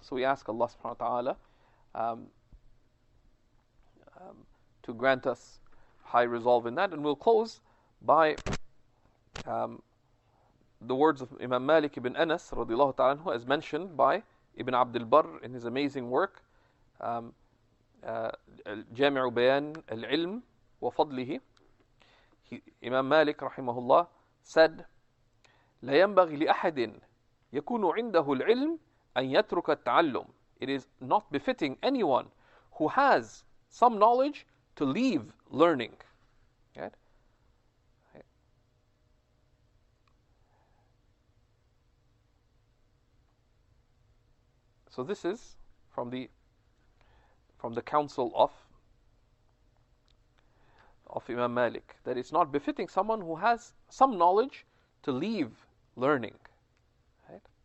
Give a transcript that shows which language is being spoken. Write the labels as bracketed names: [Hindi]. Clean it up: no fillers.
[English] So we ask Allah subhanahu wa ta'ala to grant us high resolve in that. And we'll close by the words of Imam Malik ibn Anas radiallahu ta'ala anhu, as mentioned by Ibn Abd al-Barr in his amazing work Jami'u Bayan al-Ilm wa Fadlihi. Imam Malik rahimahullah said, [Arabic] لا ينبغي لأحد يكون عنده العلم أن يترك التعلم. [English] It is not befitting anyone who has some knowledge to leave learning. Right? So this is from the council of Imam Malik, that it's not befitting someone who has some knowledge to leave learning. Right?